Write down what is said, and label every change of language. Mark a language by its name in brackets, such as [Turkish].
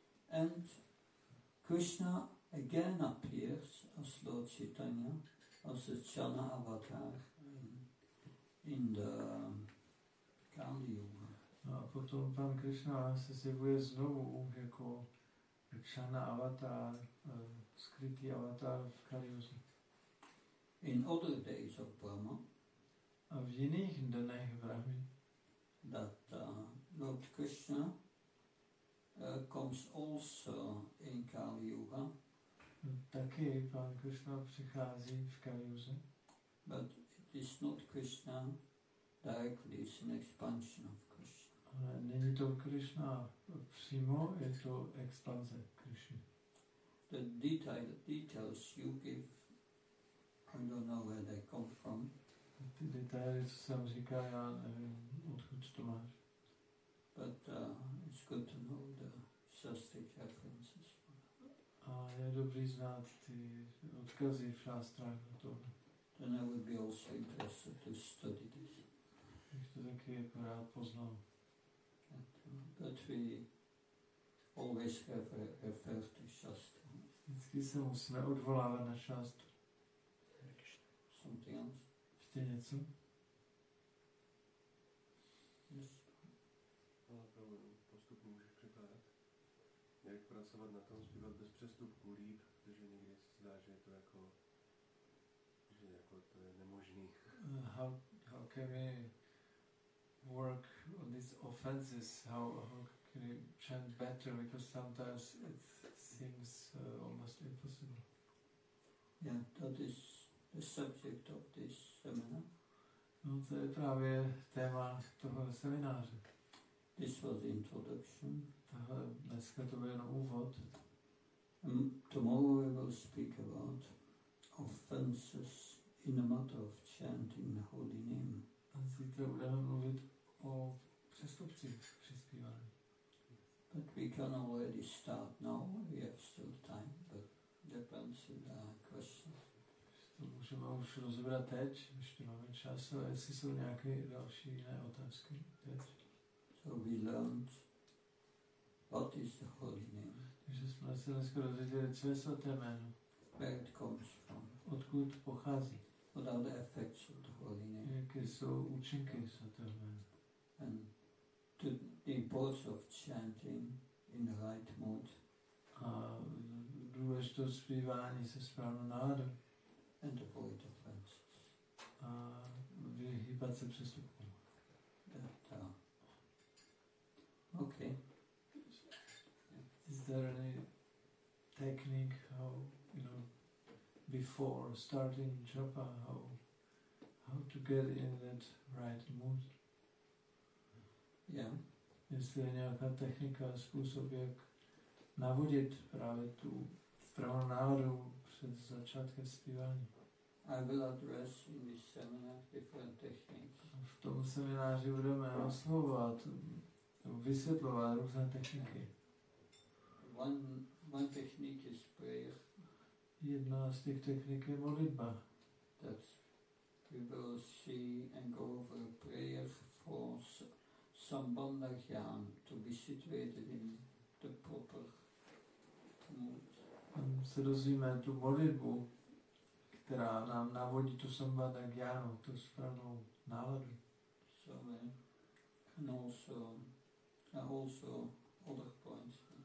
[English] And Krishna again appears as Lord Chaitanya, as a Chana avatar in the Kali Yuga. [Czech] A potom pan Krishna se zjevuje znovu jako Rakshana avatar, skrytý avatar v Kaliyuze. [English] In other days of Brahma, [Czech] a v jiných dnech Brahmy, [English] that Lord Krishna comes also in Kali Yuga. [Czech] Taky pan Krishna přichází v Kali Yuga. [English] But it is not Krishna directly, it's an expansion of Krishna. [Czech] Ale není to Krishna přímo, je to expanze Krishna. [English] The details you give, I don't know where they come from. [Czech] Ty detaily, co jsem říkal, já nevím, odkud to máš. [English] But it's good to know the Shastric references. [Czech] A je dobrý znát ty odkazy v šástrách na to. [English] Then I would be also interested to study this. [Czech] Bych to taky jako rád poznal. [English] But we always have refer to Shastra. [Czech] Vždycky se musíme odvolávat na šástru. [English] Something else. [Czech] Ještě něco? [English] Yes. [Czech] Postupu můžeš překládat? Jak pracovat na tom, zpívat bez přestupku líp, protože někdy se zdá, že je to jako, že jako to je nemožný. [English] How can we work on these offenses? How can we chant better? Because sometimes it seems almost impossible. Yeah, that is the subject of this seminar. [Czech] No, to je právě téma toho semináře. [English] This was the introduction. [Czech] Dneska to byl jen úvod. [English] Tomorrow we will speak about offenses in a matter of chanting the holy name. [Czech] A zítra budeme mluvit o přestupcích při zpívání. [English] But we can already start now. We have still time, but depends on the question. [Czech] To můžeme už rozebrat teď, ještě máme čas, a jestli jsou nějaké další jiné otázky teď. [English] So we learned what is the holy name. [Czech] Takže jsme se dneska dozvěděli, co je svaté jméno. [English] Where it comes from. [Czech] Odkud pochází. [English] What are the effects of the holy name. [Czech] Jaké jsou účinky svaté jméno. [English] And to the importance of chanting in the right mood. [Czech] A důležitost zpívání se správnou náladou. [English] And avoid offenses. [Czech] A vyhýbat se přestupkům. [English] Okay. Is there any technique how, you know, before starting japa, how to get in that right mood? Yeah. Is there [Czech] nějaká technika, způsob, jak navodit právě tu správnou náladu před začátkem zpívání? [English] I will address in this seminar different techniques. [Czech] V tom semináři budeme oslovovat vysvětlovat různé techniky. [English] One technique is prayer. [Czech] Jedna z těch technik je modlitba. [English] That we will see and go over a prayer for some bandhagyan to be situated in the proper mood. [Czech] Tam se dozvíme tu modlitbu, která nám navodí tu sambandhagyanu, tu správnou náladu. [English] So, and also also other points.